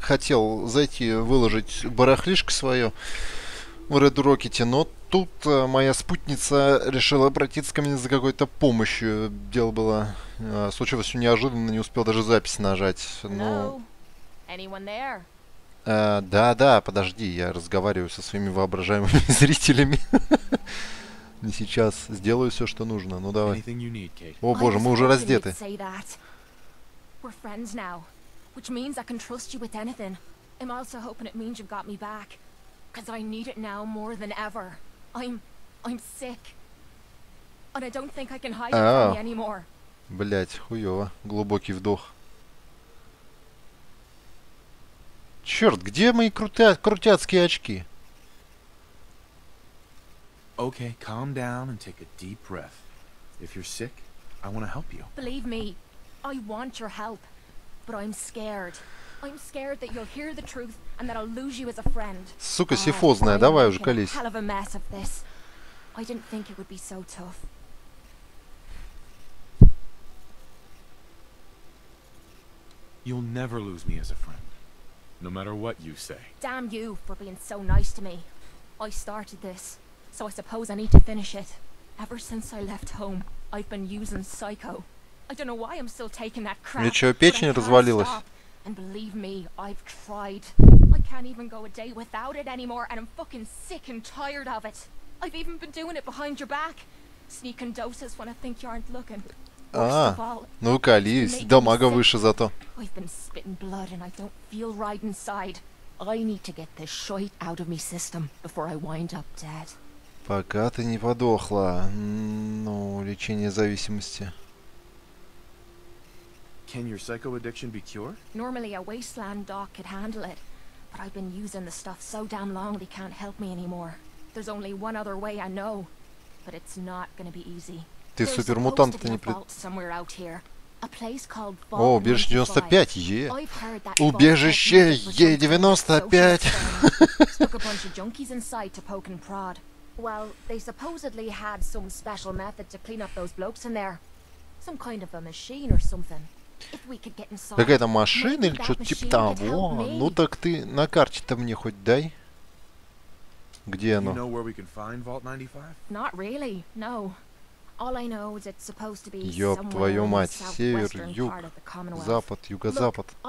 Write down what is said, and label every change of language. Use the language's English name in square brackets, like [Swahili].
[Russian] Хотел зайти выложить барахлишко свое в Red Rocket, но тут моя спутница решила обратиться ко мне за какой-то помощью. Дело было. Случилось все неожиданно, не успел даже запись нажать. Ну. Да, подожди, я разговариваю со своими воображаемыми зрителями. Не сейчас сделаю все, что нужно. Ну давай. О боже, мы уже раздеты. [English] We're friends now, which means I can trust you with anything. I'm also hoping it means you've got me back, because I need it now more than ever. I'm sick, and I don't think I can hide it from you anymore. [Russian] Блять, хуёво. Глубокий вдох. Черт, где мои крутяцкие очки? [English] Okay, calm down and take a deep breath. If you're sick, I want to help you. Believe me. I want your help, but I'm scared. I'm scared that you'll hear the truth and that I'll lose you as a friend. [Russian] Сука сифозная, давай уже колись. [English] Hell of a mess of this. I didn't think it would be so tough. You'll never lose me as a friend, no matter what you say. Damn you for being so nice to me. I started this, so I suppose I need to finish it. Ever since I left home, I've been using psycho. I don't know why I'm still taking that crap. [Russian] Мне что, печень развалилась? [English] And believe me, I've tried. I can't even go a day without it anymore, and I'm fucking sick and tired of it. I've even been doing it behind your back, sneaking doses when I think you aren't looking. [Russian] Ну колись, да мага выше зато. [English] I've been spitting blood, and I don't feel right inside. I need to get this shit out of my system before I wind up dead. [Russian] Пока ты не подохла, ну лечение зависимости. [English] Can your psycho addiction be cured? Normally a wasteland doc could handle it, but I've been using the stuff so damn long they can't help me anymore. There's only one other way I know, but it's not gonna be easy. [Russian] Ты супермутант, ты не пред... [English] somewhere out here. A place called [Russian] О, убежище 95, Убежище Е95! [English] Well, they supposedly had some special method to clean up those blokes in there. Some kind of a machine or something. [Russian] Какая-то машина или что-то типа того. Ну так ты на карте-то мне хоть дай. Где оно? Ёб твою мать. Север, юг, запад, юго-запад.